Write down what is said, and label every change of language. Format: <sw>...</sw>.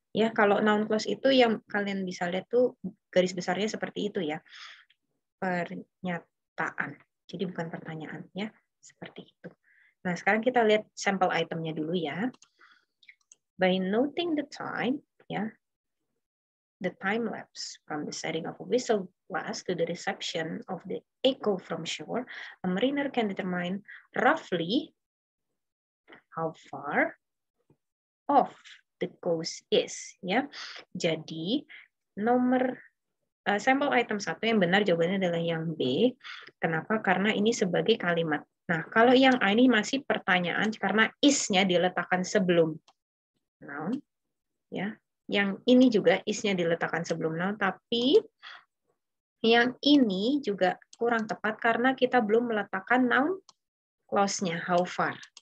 <id>Ya, kalau noun clause itu yang kalian bisa lihat tuh garis besarnya seperti itu ya. Pernyataan. Jadi bukan pertanyaan ya, seperti itu. Nah, sekarang kita lihat sample itemnya dulu ya.</id> <en>By noting the time, ya. The time lapse from the setting of a whistle blast to the reception of the echo from shore, a mariner can determine roughly how far off the coast is.</en> <id>Ya, jadi nomor sample item 1 yang benar jawabannya adalah yang B. Kenapa? Karena ini sebagai kalimat. Nah, kalau yang A ini masih pertanyaan karena is-nya diletakkan sebelum noun. Ya. Yang ini juga is-nya diletakkan sebelum noun, tapi yang ini juga kurang tepat karena kita belum meletakkan noun clause-nya, how far.</id>